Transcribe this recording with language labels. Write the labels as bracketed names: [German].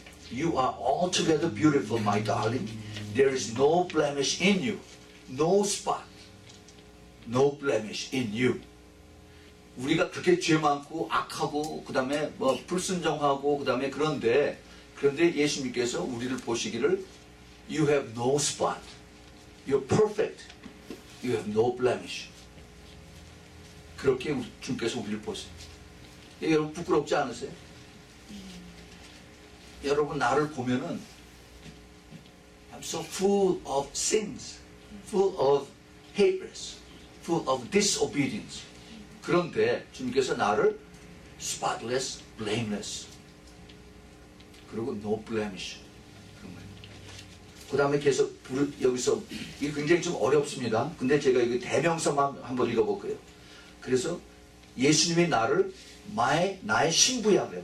[English] You are altogether beautiful, my darling. There is no blemish in you. No spot. No blemish in you. [Korean] 우리가 그렇게 죄 많고 악하고 그 다음에 뭐 불순종하고 그 다음에 그런데 예수님께서 우리를 보시기를 [English] You have no spot. You're perfect. You have no blemish. [Korean] 그렇게 주님께서 우리를 보세요. 예, 여러분 부끄럽지 않으세요? 여러분 나를 보면은 [English] I'm so full of sins, full of hatred, full of disobedience. [Korean] 그런데 주님께서 나를 [English] spotless, blameless, [Korean] 그리고 [English] no blemish. [Korean] 그 다음에 계속 여기서 이게 굉장히 좀 어렵습니다. 근데 제가 이거 대명사만 한번 읽어볼게요. 그래서 예수님이 나를 나의 신부야 그래요.